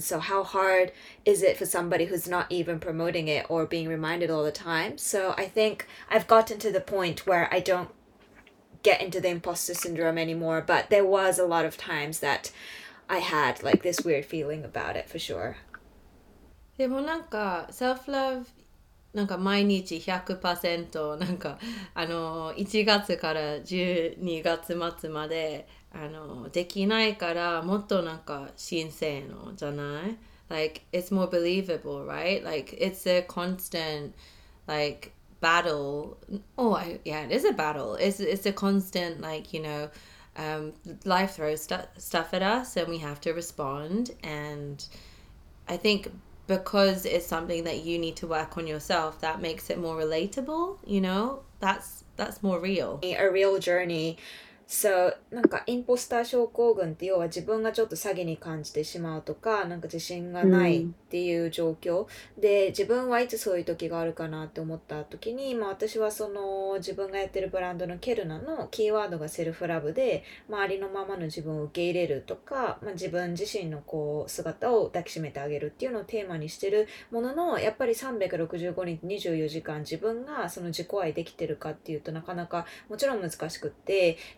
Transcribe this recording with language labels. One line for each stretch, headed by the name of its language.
English: So how hard is it for somebody who's not even promoting it or being reminded all the time? So I think I've gotten to the point where I don't get into the imposter syndrome anymore, but there was a lot of times that I had like this weird feeling about it, for sure.
Japanese: Self-love, なんか毎日 100% なんか1月から12月末まで、できないからもっとなんか神聖のじゃない？
English: Like, it's more believable, right? Like, it's a constant, like, battle. It's a constant, like, you know, life throws stuff at us and we have to respond. And I think because it's something that you need to work on yourself, that makes it more relatable, you know? That's more real. A real journey.
Japanese: So, なんかインポスター症候群って要は自分がちょっと詐欺に感じてしまうとか、なんか自信がないっていう状況で、自分はいつそういう時があるかなって思った時に、まあ、私はその自分がやってるブランドのケルナのキーワードがセルフラブで、まあ、ありのままの自分を受け入れるとか、まあ、自分自身のこう姿を抱きしめてあげるっていうのをテーマにしてるものの、やっぱり365日24時間自分がその自己愛できてるかっていうとなかなかもちろん難しくって、